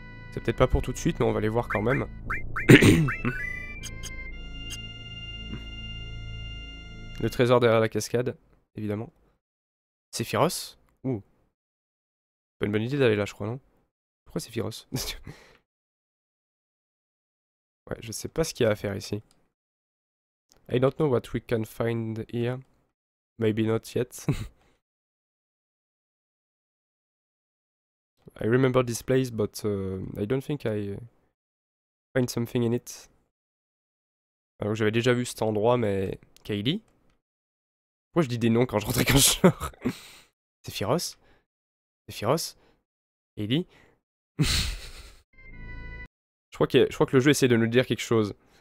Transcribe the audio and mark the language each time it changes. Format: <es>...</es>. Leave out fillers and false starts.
<fr>C'est peut-être pas pour tout de suite, mais on va aller voir quand même. Le trésor derrière la cascade, évidemment. C'est féroce? Ouh. Pas une bonne idée d'aller là, je crois, non? Pourquoi c'est féroce? Ouais, je sais pas ce qu'il y a à faire ici.</fr> <en>I don't know what we can find here. Maybe not yet. I remember this place, but I don't think I find something in it.</en> <fr>Alors j'avais déjà vu cet endroit, mais... Kaylee? Pourquoi je dis des noms quand je rentre et quand je sors? C'est féroce? C'est féroce? Kaylee? Je crois que le jeu essaie de nous dire quelque chose.</fr>